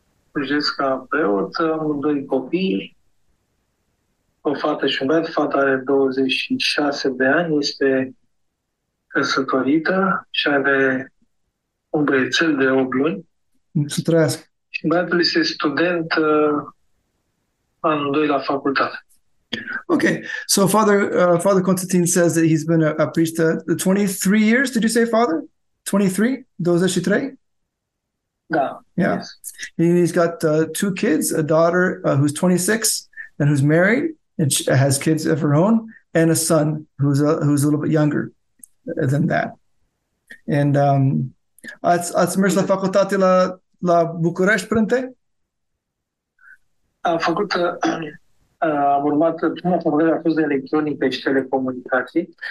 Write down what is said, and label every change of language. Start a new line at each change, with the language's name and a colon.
Romanian: Slujesc ca preot, am doi copii, o fată și un băiat. Fata are 26 de ani, este căsătorită și are un băiețel de 8 luni. Să trăiască. Și băiatul este student anul 2 la facultate. Ok.
English: So Father Constantine says that he's been a priest 23 years, did you say, Father? 23?
Romanian: Da.
English: Yeah. Yes. He's got two kids, a daughter who's 26 and who's married and has kids of her own, and a son who's a little bit younger than that. And
Romanian: ați mers la facultate la la București, Prânte? Am făcut, am urmat, prima facultate a fost de electronică și telecomunicații.